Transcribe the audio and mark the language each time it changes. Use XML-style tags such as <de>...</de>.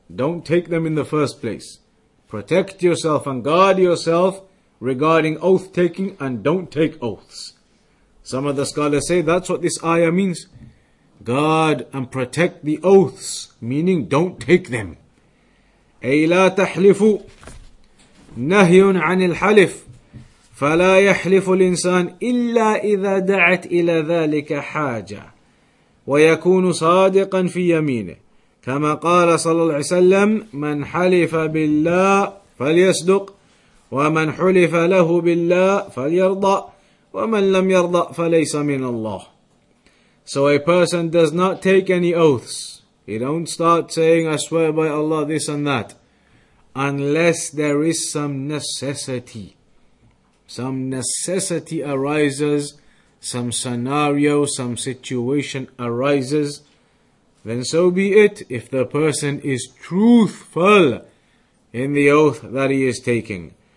<en>Don't take them in the first place. Protect yourself and guard yourself regarding oath-taking and don't take oaths. Some of the scholars say that's what this ayah means. Guard and protect the oaths, meaning don't take them.</en> <ar>أي لا تحلفوا نهي عن الحلف فلا يحلف الإنسان إلا إذا دعت إلى ذلك حاجة ويكون صادقا في يمينه كما قال صلى الله عليه وسلم من حلف بالله فليصدق ومن حلف له بالله فليرضى ومن لم يرضى فليس من الله.</ar> <en>So a person does not take any oaths. He don't start saying, I swear by Allah this and that, unless there is some necessity. Some necessity arises, some scenario, some situation arises, then so be it, if the person is truthful in the oath that he is taking.</en>